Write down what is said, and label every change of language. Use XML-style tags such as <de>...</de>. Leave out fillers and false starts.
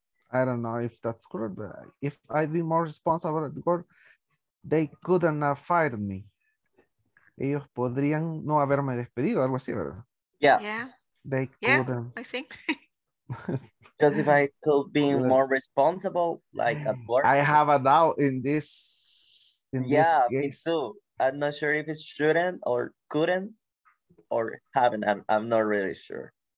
<en>I don't know if that's good, but if I'd be more responsible at work, they couldn't have fired me.</en> <es>Ellos podrían no haberme despedido, algo así, ¿verdad?</es> <en>Yeah. They couldn't. I think. Just if I could be more responsible, like at work. I have a doubt in this. Me too. I'm not sure if it shouldn't or couldn't or haven't. I'm not really sure.</en>